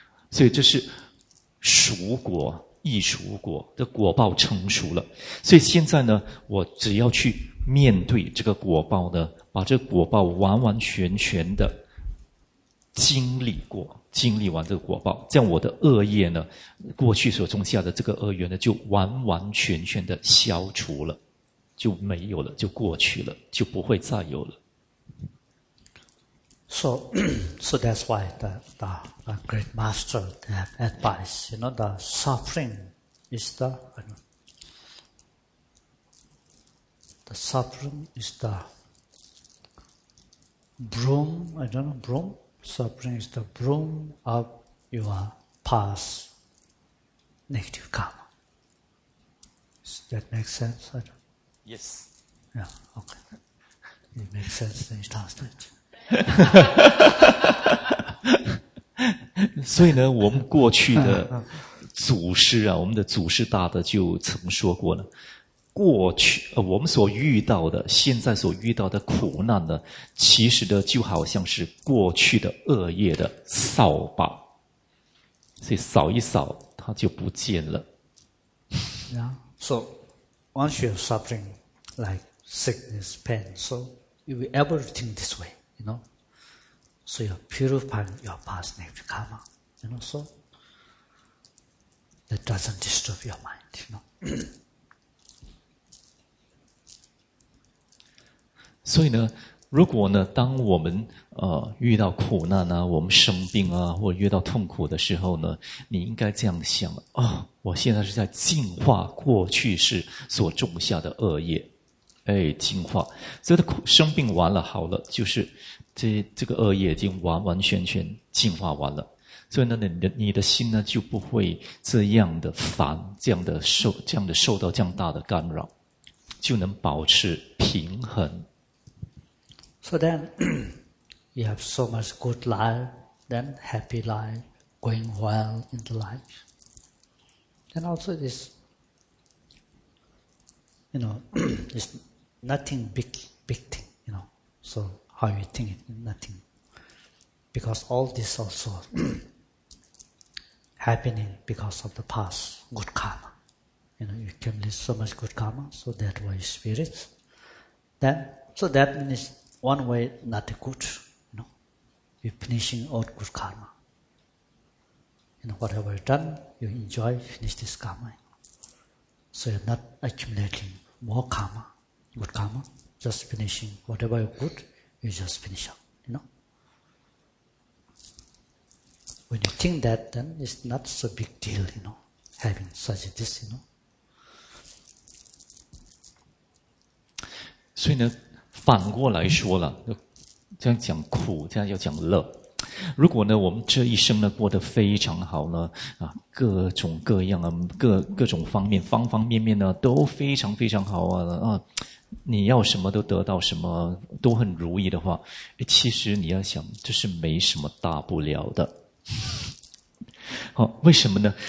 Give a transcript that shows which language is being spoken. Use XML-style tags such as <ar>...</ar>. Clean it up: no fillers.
<zh>所以这是熟果亦熟果的果报成熟了，所以现在呢，我只要去面对这个果报呢，把这个果报完完全全的经历过，经历完这个果报，这样我的恶业呢，过去所种下的这个恶缘呢，就完完全全的消除了，就没有了，就过去了，就不会再有了。</zh> <en>So that's why the great master have advice, you know, the suffering is the suffering is the broom, I don't know, broom? Suffering is the broom of your past negative karma. Does that make sense? Yes. Yeah, okay. It makes sense, then you translate it.</en> <zh>所以呢，我们过去的祖师啊，我们的祖师大德就曾说过呢，过去我们所遇到的，现在所遇到的苦难呢，其实呢，就好像是过去的恶业的扫把，所以扫一扫，它就不见了。</zh> <en>Yeah. So once you're suffering like sickness, pain, so you will everything this way. You know, so you purify your past negative karma, you know, so that doesn't disturb your mind, you know.</en> <zh>所以呢，如果呢，当我们遇到苦难啊，我们生病啊，或遇到痛苦的时候呢，你应该这样想啊，我现在是在净化过去世所种下的恶业。哎，净化，所以他生病完了，好了，就是这个恶业已经完完全全净化完了，所以呢，你的心呢就不会这样的烦，这样的受到这样大的干扰，就能保持平衡。</zh> <en>So then, you have so much good life, then happy life, going well in the life, and also this, you know, this. Nothing big thing, you know. So how you think it, nothing. Because all this also happening because of the past, good karma. You know, you accumulate so much good karma, so that way you experience. Then, so that means one way not good, you know. You're finishing all good karma. You know, whatever you've done, you enjoy, finish this karma. So you're not accumulating more karma. Good karma, just finishing. Whatever you good, you just finish up, you know? When you think that, then it's not so big deal, you know, having such a this, you know?</en> <zh>所以呢，反过来说了，这样讲苦，这样要讲乐。如果呢我们这一生呢过得非常好呢啊，各种各样啊，各种方面方方面面呢都非常非常好啊啊，你要什么都得到什么都很如意的话，其实你要想这是没什么大不了的。好，为什么呢？</zh>